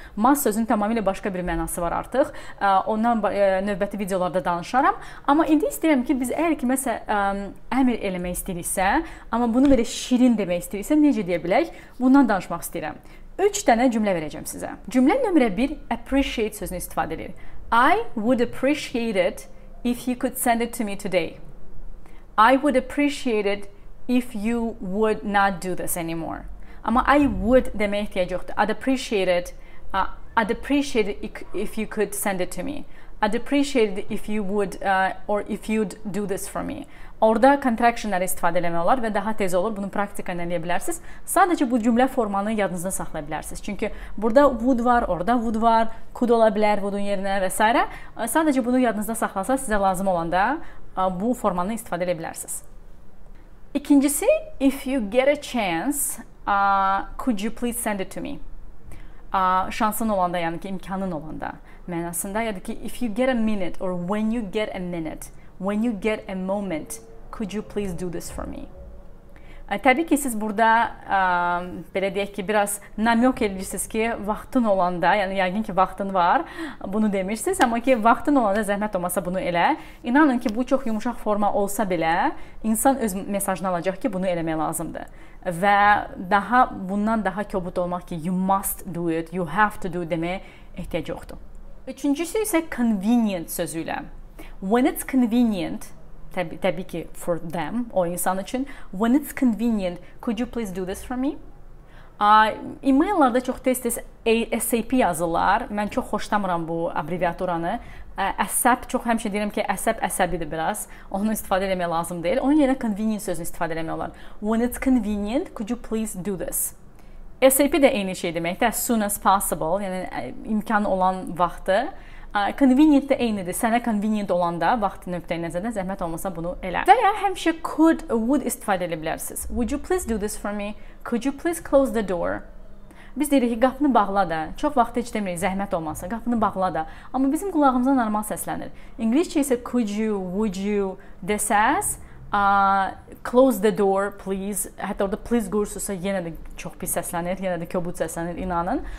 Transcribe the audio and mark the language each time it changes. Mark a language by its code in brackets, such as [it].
[az] Must sözünün tamamilə başqa bir mənası var artıq, ondan növbəti videolarda danışaram. Amma indi istəyirəm ki, biz əgər kiməsə əmir eləmək istəyiriksə, amma bunu belə şirin demək istəyiriksə, necə deyə bilək? Bundan danışmaq istəyirəm. 3 dənə cümlə verəcəm sizə. Cümlə nömrə 1 appreciate sözünü istifadə edir. [en] I would appreciate it if you could send it to me today. I would appreciate it if you would not do this anymore. [az] Amma [en] I would [az] deməyə ehtiyac yoxdur. [en] I'd appreciate it if you could send it to me. I'd appreciate it if you would or if you'd do this for me. [az] Orada contractionları istifadə eləmək olar və daha tez olur. Bunu praktika ilə eləyə bilərsiniz. Sadəcə bu cümlə formanı yadınızda saxlaya bilərsiniz. Çünki burada would var, orada would var, could ola bilər would-un yerinə və s. Sadəcə bunu yadınızda saxlasa, sizə lazım olanda bu formanı istifadə edə bilərsiniz. İkincisi, [en] if you get a chance, could you please send it to me? [az] Şansın olanda, yəni ki, imkanın olanda mənasında. Yəni ki, [en] if you get a minute or when you get a minute, when you get a moment, could you please do this for me? [az] Təbii ki, siz burada, belə deyək ki, biraz namyok edirsiniz ki, vaxtın olanda, yəni yəqin ki, vaxtın var, bunu demişsiniz, amma ki, vaxtın olanda zəhmət olmasa bunu elə. İnanın ki, bu çox yumuşaq forma olsa belə, insan öz mesajını alacaq ki, bunu eləmək lazımdır. Və daha bundan daha köbut olmaq ki, [en] you must do it, [az] you have to do it deməyə ehtiyac yoxdur. Üçüncüsü isə convenient sözüylə. [en] When it's convenient, [az] təbii ki, [en] for them, [az] o insan üçün, [en] when it's convenient, could you please do this for me? [az] E-maillarda çox tez-tez SAP yazırlar. Mən çox xoşlamıram bu abbreviaturanı. ASAP, çox həmişə deyirəm ki, ASAP əsəbidir biraz. Onu istifadə eləmək lazım deyil. Onun yerinə convenient sözünü istifadə eləmək olar. [en] When it's convenient, could you please do this? [az] SAP də eyni şey deməkdir. [en] As soon as possible, [az] yəni imkanı olan vaxtı. Convenient də eynidir. Sənə convenient olanda, vaxtı nöqtəyi nəzərdən zəhmət olmasa bunu elə. Və ya həmişə could, would istifadə edə bilərsiniz. [en] Would you please do this for me? Could you please close the door? [az] Biz deyirik ki, qapını bağla da. Çox vaxt heç demirik, zəhmət olmasa, qapını bağla da. Amma bizim qulağımıza normal səslənir. İngiliscə isə [en] could you, would you [az] desəz, [en] close the door, please. [az] Hətta orada please qursusa yenə də çox pis səslənir, yenə də köbut səslənir, inanın.